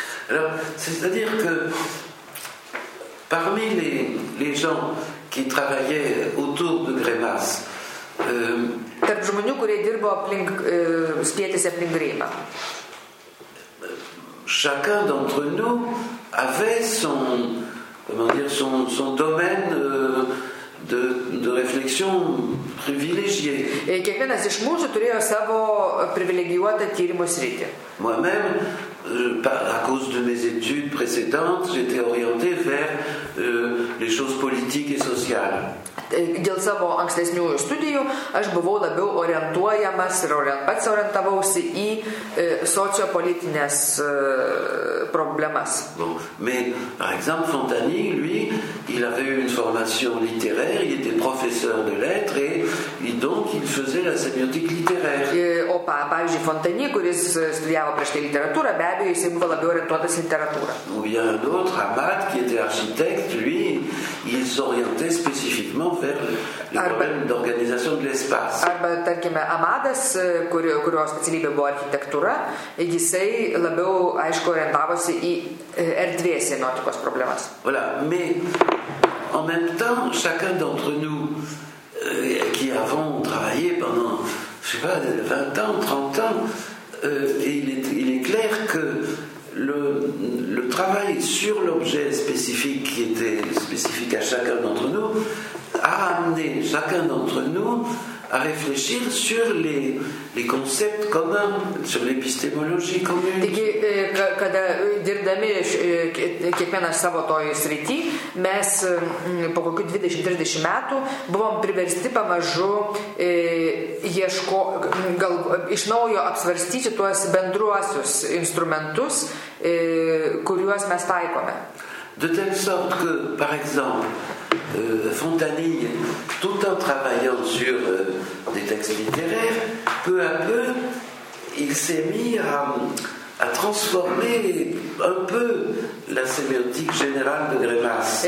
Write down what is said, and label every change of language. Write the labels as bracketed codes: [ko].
[fr] Alors, c'est-à-dire que parmi les gens qui travaillaient autour de Grémas, [lt] tarp žmonių, kurie dirbo aplink, spėtis aplink Grémą, [fr] chacun d'entre nous avait son, comment dire, son domaine de réflexion privilégié. [lt] Et kiekvienas iš mūsų turėjo savo privilegijuotą tyrimo sritį. [fr] Moi-même, à cause de mes études précédentes, j'étais orienté vers les choses politiques et sociales. [lt] Dėl savo ankstesnių studijų aš buvau labiau orientuojamas ir pats orientavausi į sociopolitinės problemas. [fr] Bon. Mais, par exemple, Fontani, lui, il avait une formation littéraire, il était professeur de lettres et donc il faisait la sémiotique littéraire. [lt] Opa, pavyzdžiui, Fontani, kuris studijavo prieš tai literatūrą, be abejo, jis buvo labiau orientuotas į literatūrą. [fr] Ou bien un autre, Abad, qui était architecte, lui, il s'orientait spécifiquement vers les problèmes d'organisation de l'espace. [lt] Arba, tarkime, Amadas, kurio specialybė buvo architektūra, jisai labiau, aišku, orientavosi į erdvės sémiotikos problemas. [fr] Voilà, mais en même temps, chacun d'entre nous qui avons travaillé pendant, je sais pas, 20 ans, 30 ans, il est clair que le travail sur l'objet spécifique qui était spécifique à chacun d'entre nous a amené chacun d'entre nous à réfléchir sur les concepts communs, sur l'épistémologie commune. [lt] Taigi, kada dirbdami kiekvieną savo toje srity, mes po kokių 20-30 metų buvom priversti pamažu iš naujo apsvarstyti tuos bendruosius instrumentus, kuriuos mes taikome. [fr] De telle sorte que, par exemple, Fontanille, tout en travaillant sur des textes littéraires, peu à peu, il s'est mis à transformer un peu la sémiotique générale de Grémas.